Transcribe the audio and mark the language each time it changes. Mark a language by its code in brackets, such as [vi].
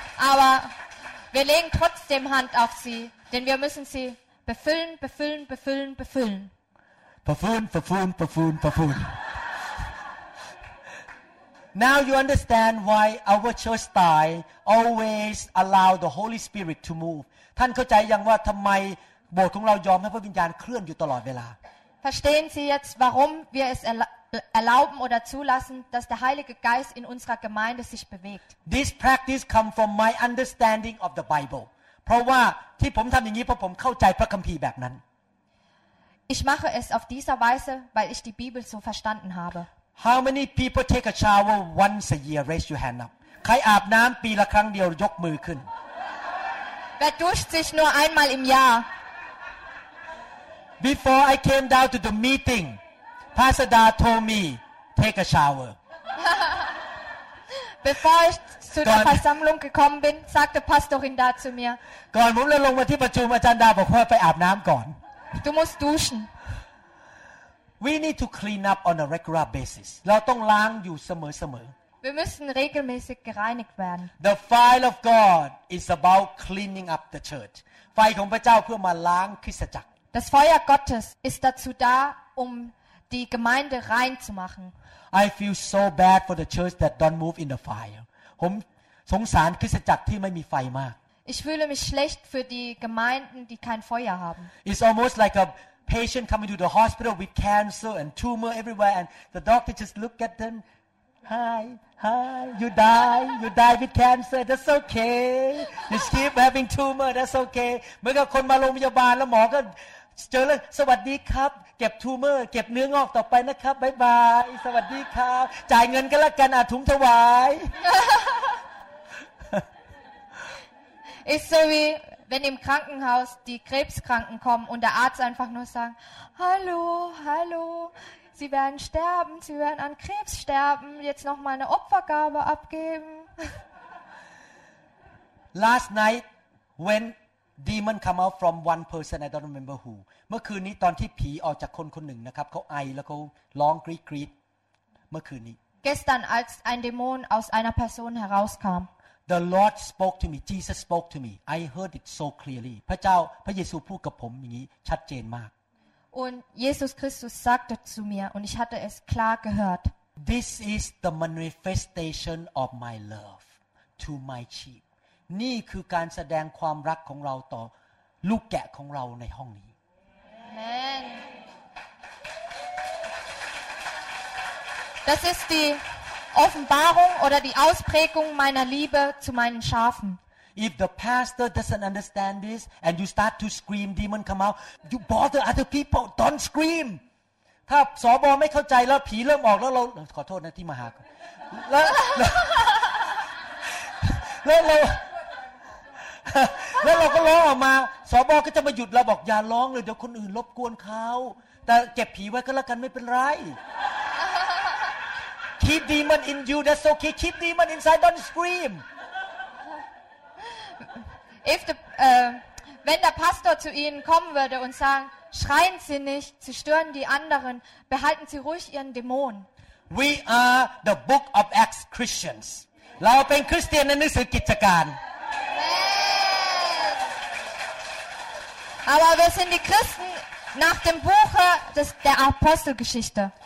[de] Aber wir legen trotzdem Hand auf Sie, denn wir müssen Sie Befüllen, befüllen, befüllen, befüllen. Befüllen, befüllen, befüllen, befüllen. [en] Now you understand why our church style always allow the Holy Spirit to move. [th] ท่านเข้าใจยังว่าทำไมโบสถ์ของเรายอมให้พระวิญญาณเคลื่อนอยู่ตลอดเวลา [de] Verstehen Sie jetzt, warum wir es erlauben oder zulassen, dass der Heilige Geist in unserer Gemeinde sich bewegt? [en] This practice comes from my understanding of the Bible. [th] เพราะว่าที่ผมทำอย่างนี้เพราะผมเข้าใจพระคัมภีร์แบบนั้น [de] Ich mache es auf dieser Weise, weil ich die Bibel so verstanden habe. [en] How many people take a shower once a year? Raise your hand up. [th] ใครอาบน้ำปีละครั้งเดียวยกมือขึ้น [de] Wer duscht sich nur einmal im Jahr? [en] Before I came down to the meeting, Pastor Da told me take a shower. [de] Bevor ich zu der Versammlung gekommen bin, sagte Pastorin Da zu mir. [th] ก่อนผมลงมาที่ประชุมอาจารย์ดาบอกว่าไปอาบน้ำก่อน [de] Du musst duschen. [en] We need to clean up on a regular basis. [th] เราต้องล้างอยู่เสมอ [de] ๆ Wir müssen regelmäßig gereinigt werden. [en] The fire of God is about cleaning up the church. [th] ไฟของพระเจ้าเพื่อมาล้างคริสตจักร [de] Das Feuer Gottes ist dazu da, um die Gemeinde rein zu machen. [en] I feel so bad for the church that don't move in the fire. ผมสงสารคริสตจักรที่ไม่มีไฟมาก Ich fühle mich schlecht für die Gemeinden, die kein Feuer haben. It's almost like aPatient coming to the hospital with cancer and tumor everywhere, and the doctor just look at them. Hi, hi. You die with cancer. That's okay. You keep having tumor. That's okay. [th] เหมือนกับคนมาโรงพยาบาลแล้วหมอก็เจอแล้วสวัสดีครับเก็บทูเมอร์เก็บเนื้องอกต่อไปนะครับบ๊ายบายสวัสดีครับจ่ายเงินกันละกันอาถุงถวาย [en] It's so weird. [de] Wenn im Krankenhaus die Krebskranken kommen und der Arzt einfach nur sagt, Hallo, hallo, Sie werden sterben, Sie werden an Krebs sterben, jetzt noch mal eine Opfergabe abgeben. [en] Last night, when demon come out from one person, I don't remember who. [th] เมื่อคืนนี้ตอนที่ผีออกจากคนคนหนึ่งนะครับเขาไอแล้วเขาร้องกรี๊ดกรี๊ดเมื่อคืนนี้ [de] Gestern, als ein Dämon aus einer Person herauskam [en] The Lord spoke to me. Jesus spoke to me. I heard it so clearly. [th] พระเจ้าพระเยซูพูดกับผมอย่างนี้ชัดเจนมาก [de] Und Jesus Christus sagte zu mir und ich hatte es klar gehört. [en] This is the manifestation of my love to my sheep. [th] นี่คือการแสดงความรักของเราต่อลูกแกะของเราในห้องนี้ [en] Amen. [de] Das ist dieOffenbarung oder die Ausprägung meiner Liebe zu meinen Schafen. [en] If the pastor doesn't understand this and you start to scream, demon come out, you bother other people. Don't scream. [th] ถ้าสบอไม่เข้าใจแล้วผีเริ่มออกแล้วเราขอโทษนะที่มาหาแล้วเราก็ร้องออกมาสบอก็จะมาหยุดเราบอกอย่าร้องเลยเดี๋ยวคนอื่นรบกวนเขาแต่เก็บผีไว้ก็แล้วกันไม่เป็นไร [en] Keep demon in you, that's okay. Keep demon inside, don't scream. If the, [de] wenn der Pastor zu Ihnen kommen würde und sagen, schreien Sie nicht, Sie stören die anderen, behalten Sie ruhig Ihren Dämon. [en] We are the book of Acts Christians. [th] เราเป็นคริสเตียนในหนังสือกิจการ [de] Aber wir sind die Christen nach dem Buche der Apostelgeschichte.